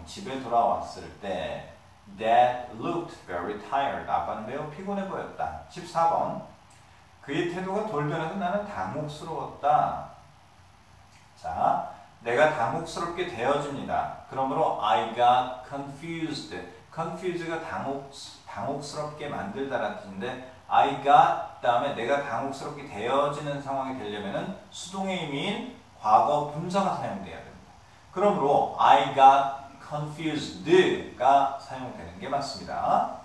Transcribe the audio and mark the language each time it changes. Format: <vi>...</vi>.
<ko>집에 돌아왔을 때,</ko> <en>Dad looked very tired.</en> <ko>아빠는 매우 피곤해 보였다. 14번. 그의 태도가 돌변해서 나는 당혹스러웠다. 자, 내가 당혹스럽게 되어집니다. 그러므로</ko> <en>I got confused.</en> <ko>Confused가 당혹스럽게 만들다라는 뜻인데</ko> <en>I got</en> <ko>다음에 내가 당혹스럽게 되어지는 상황이 되려면 수동의 의미인 과거 분사가 사용되어야 됩니다. 그러므로</ko> <en>I got confused</en> <ko>가 사용되는 게 맞습니다.</ko>